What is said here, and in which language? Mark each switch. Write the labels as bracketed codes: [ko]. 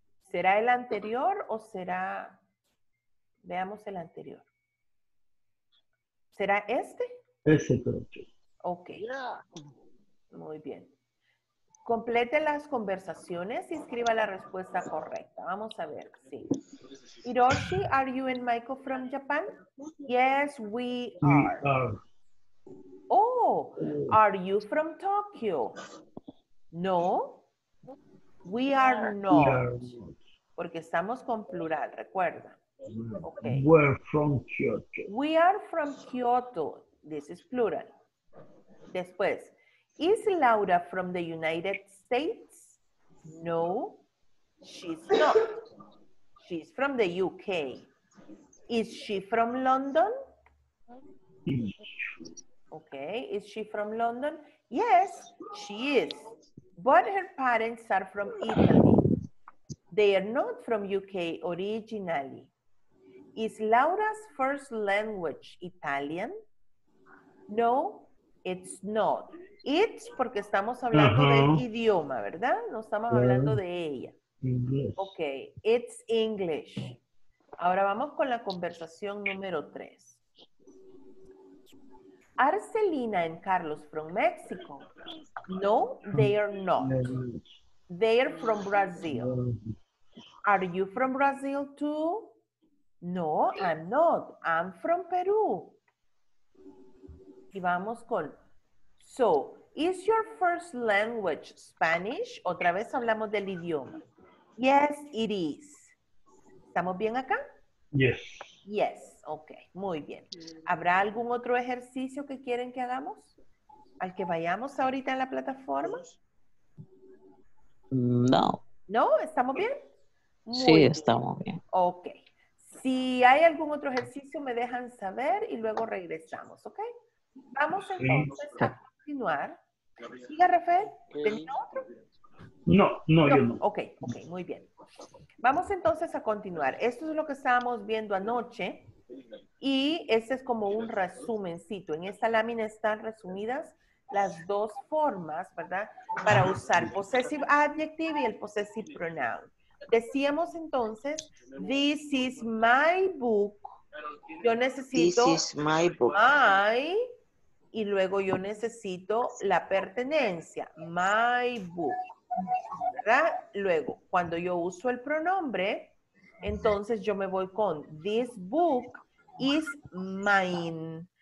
[es] ¿Será el anterior o será? Veamos el anterior. ¿Será este? Ese, creo que. Ok. Muy bien. Complete las conversaciones y escriba la respuesta correcta. Vamos a ver. Sí. [en] Hiroshi, are you and Michael from Japan? Yes, we are. We are. Oh, are you from Tokyo? No, we are not. We are not. [es] Porque estamos con plural, recuerda. Okay. [en] We're from Kyoto. We are from Kyoto. This is plural. [es] Después, [en] is Laura from the United States? No, she's not. She's from the UK. Is she from London? Okay, is she from London? Yes, she is. But her parents are from Italy. They are not from UK originally. Is Laura's first language Italian? No, it's not. It's [es] porque estamos hablando del idioma, ¿verdad? No estamos hablando de ella. [en] English. Okay, it's English. [es] Ahora vamos con la conversación número 3. [en] Are Selena and Carlos from Mexico? No, they are not. They are from Brazil. Are you from Brazil too? No, I'm not. I'm from Peru. [es] Y vamos con, [en] So, is your first language Spanish? [es] Otra vez hablamos del idioma. [en] Yes, it is. [es] ¿Estamos bien acá? [en] Yes. Yes, [es] ok. Muy bien. ¿Habrá algún otro ejercicio que quieren que hagamos? ¿Al que vayamos ahorita en la plataforma? No. ¿No? ¿Estamos bien? Sí, estamos bien. Ok. Si hay algún otro ejercicio, me dejan saber y luego regresamos, ¿ok? Vamos entonces a continuar. ¿Siga, Rafael? ¿Tenía otro? No, no, yo no. Ok, ok, muy bien. Vamos entonces a continuar. Esto es lo que estábamos viendo anoche. Y este es como un resumencito. En esta lámina están resumidas las dos formas, ¿verdad? Para usar possessive adjective y el possessive pronoun. Decíamos entonces, [en] this is my book. [es] Yo necesito [en] this is my book. [es] My, y luego yo necesito la pertenencia, [en] my book, [es] ¿verdad? Luego, cuando yo uso el pronombre, entonces yo me voy con [en] this book is mine.